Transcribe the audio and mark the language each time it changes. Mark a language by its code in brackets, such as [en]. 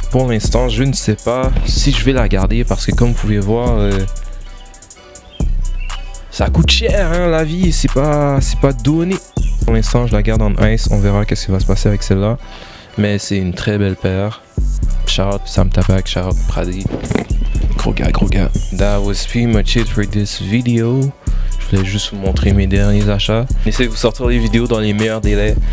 [fr] Pour l'instant, je ne sais pas si je vais la garder parce que comme vous pouvez voir, ça coûte cher hein, la vie, c'est pas donné. Pour l'instant, je la garde en ice. On verra qu'est-ce qui va se passer avec celle-là. Mais c'est une très belle paire. [en] Shout out Sam Tabak, shout out Praddy. [fr] Gros gars, gros gars. [en] That was pretty much it for this video. [fr] Je voulais juste vous montrer mes derniers achats. J'essaie de vous sortir les vidéos dans les meilleurs délais.